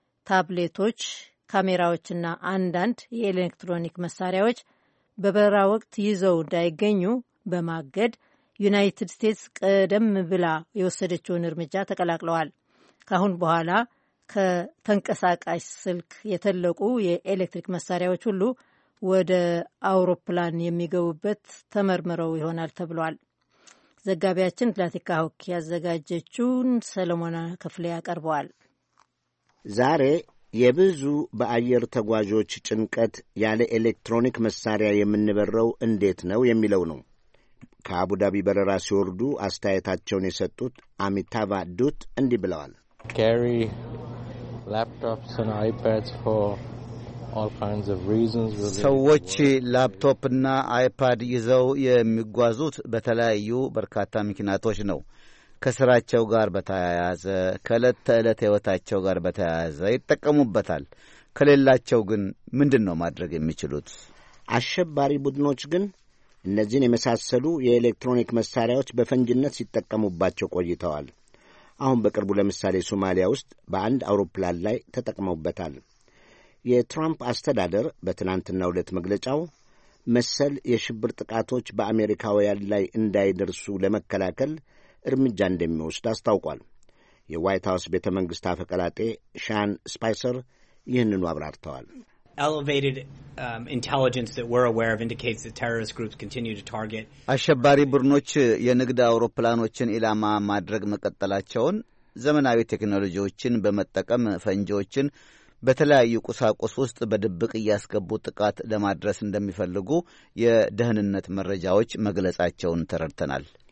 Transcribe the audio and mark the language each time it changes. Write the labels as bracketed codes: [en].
[am] ታብሌቶች፣ ካሜራዎችና አንዳንድ የኤሌክትሮኒክ መሳሪያዎች በበረራ ወቅት ይዘው እንዳይገኙ በማገድ ዩናይትድ ስቴትስ ቀደም ብላ የወሰደችውን እርምጃ ተቀላቅለዋል። ካሁን በኋላ ከተንቀሳቃሽ ስልክ የተለቁ የኤሌክትሪክ መሳሪያዎች ሁሉ ወደ አውሮፕላን የሚገቡበት ተመርምረው ይሆናል ተብሏል። ዘጋቢያችን ፕላቲካ ሆክ ያዘጋጀችውን ሰለሞን ክፍሌ ያቀርበዋል። ዛሬ የብዙ በአየር ተጓዦች ጭንቀት ያለ ኤሌክትሮኒክ መሳሪያ የምንበረው እንዴት ነው የሚለው ነው። ከአቡዳቢ በረራ ሲወርዱ አስተያየታቸውን የሰጡት አሚታቫ ዱት እንዲህ ብለዋል። [en] Carry laptops and iPads for all kinds of reasons. [am] ሰዎች ላፕቶፕ እና አይፓድ ይዘው የሚጓዙት በተለያዩ በርካታ ምክንያቶች ነው። ከስራቸው ጋር በተያያዘ፣ ከእለት ተእለት ህይወታቸው ጋር በተያያዘ ይጠቀሙበታል። ከሌላቸው ግን ምንድነው ማድረግ የሚችሉት? አሸባሪ ቡድኖች ግን እነዚህን የመሳሰሉ የኤሌክትሮኒክ መሳሪያዎች በፈንጅነት ሲጠቀሙባቸው ቆይተዋል። አሁን በቅርቡ ለምሳሌ ሶማሊያ ውስጥ በአንድ አውሮፕላን ላይ ተጠቅመውበታል። የትራምፕ አስተዳደር በትናንትናው ዕለት መግለጫው መሰል የሽብር ጥቃቶች በአሜሪካውያን ላይ እንዳይደርሱ ለመከላከል እርምጃ እንደሚወስድ አስታውቋል። የዋይት ሃውስ ቤተ መንግሥት አፈ ቀላጤ ሻን ስፓይሰር ይህንኑ አብራርተዋል። [en] Elevated intelligence that we're aware of indicates that terrorist groups continue to target [am] አሸባሪ ቡድኖች የንግድ አውሮፕላኖችን ኢላማ ማድረግ መቀጠላቸውን፣ ዘመናዊ ቴክኖሎጂዎችን በመጠቀም ፈንጂዎችን በተለያዩ ቁሳቁስ ውስጥ በድብቅ ያስገቡ ጥቃት ለማድረስ እንደሚፈልጉ የደህንነት መረጃዎች መግለጻቸውን ተረድተናል።